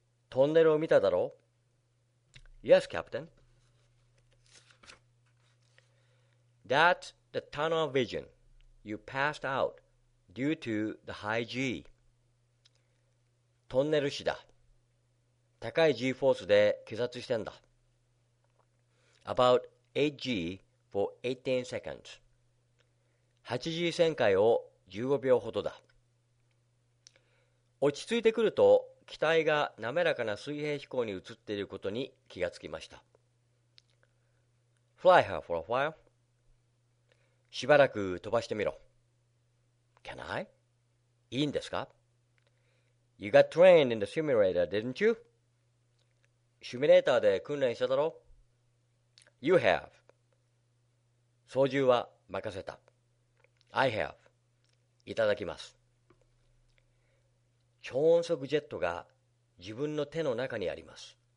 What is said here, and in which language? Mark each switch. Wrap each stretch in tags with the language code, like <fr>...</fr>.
<ja>トンネルを見ただろう?</ja> <en>Yes, Captain. That's the tunnel vision. You passed out due to the high G.</en> <ja>トンネル死だ。高い G-force で気絶してんだ。</ja> <en>About 8G for 18 seconds.</en> <ja>8G 旋回を15秒ほどだ。落ち着いてくると、機体が滑らかな水平飛行に移っていることに気がつきました。</ja> <en>Fly her for a while.</en> <ja>しばらく飛ばしてみろ。</ja> <en>Can I?</en> <ja>いいんですか?</ja> <en>You got trained in the simulator, didn't you?</en> <ja>シミュレーターで訓練しただろ?</ja> <en>You have.</en> <ja>操縦は任せた。</ja> <en>I have.</en> <ja>いただきます。超音速ジェットが自分の手の中にあります。</ja>